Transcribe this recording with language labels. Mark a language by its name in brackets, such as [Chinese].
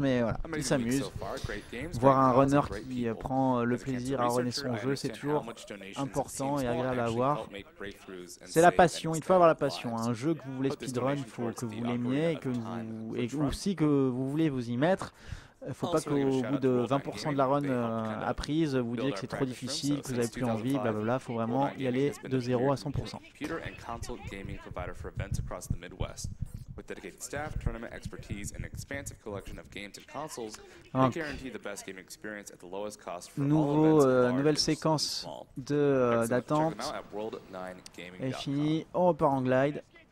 [French] Mais voilà, il s'amuse. Voir un runner qui prend le plaisir à runner son jeu, c'est toujours important et agréable à voir. C'est la passion, il faut avoir la passion. Un jeu que vous voulez speedrun, il faut que vous l'aimiez et que vous voulez vous y mettre. Il ne faut pas qu'au bout de 20% de la run apprise, vous disiez que c'est trop difficile, que vous n'avez plus envie, blablabla. Il faut vraiment y aller de 0 à 100%. [English] Computer and console gaming provider for events across the Midwest. With dedicated staff, tournament expertise, and expansive collection of games and consoles, we guarantee the best gaming experience at the lowest cost for all events. [French] Nouvelle séquence d'attente. Est fini, on repart en glide.